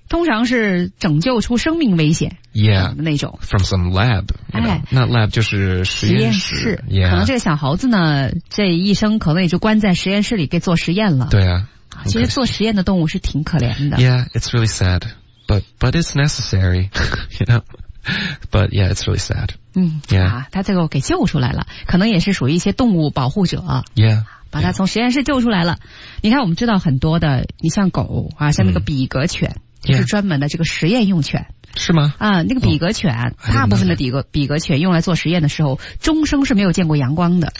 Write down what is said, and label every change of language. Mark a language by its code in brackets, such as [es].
[zh] 通常是拯救出生命危险 [en] ，yeah [zh] 那种 [en] ，from some lab， [zh] 哎，那 lab 就是实验室、 [en] yeah ， [zh] 可能这个小猴子呢，这一生可能也就关在实验室里给做实验了，对啊，其实做实验的动物是挺可怜的 [en] ，yeah， it's really sad， but it's necessary， you know。 But yeah, it's really sad. [zh] 嗯、 [en] yeah. [zh] 啊，他最后给救出来了，可能也是属于一些动物保护者。 [en] Yeah， [zh] 把他从实验室救出来了。 [en] Yeah. [zh] 你看，我们知道很多的，你像狗啊，像那个比格犬， [en] yeah. [zh] 就是专门的这个实验用犬。是吗？啊，那个比格犬， [en] oh, [zh] 大部分的比格犬用来做实验的时候，终生是没有见过阳光的。